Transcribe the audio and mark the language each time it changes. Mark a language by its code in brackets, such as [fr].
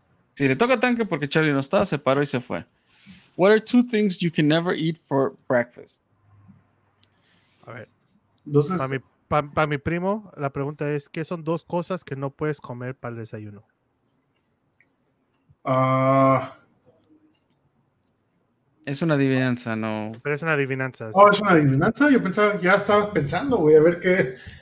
[es] Si le toca tanque porque Charlie no está, se paró y se fue. [en] What are two things you can never eat for breakfast? [es] A ver. Para mi primo, la pregunta es: ¿qué son dos cosas que no puedes comer para el desayuno? Es una adivinanza, no. Pero es una adivinanza. Sí. Oh, es una adivinanza. Yo pensaba, ya estaba pensando, güey, a ver qué.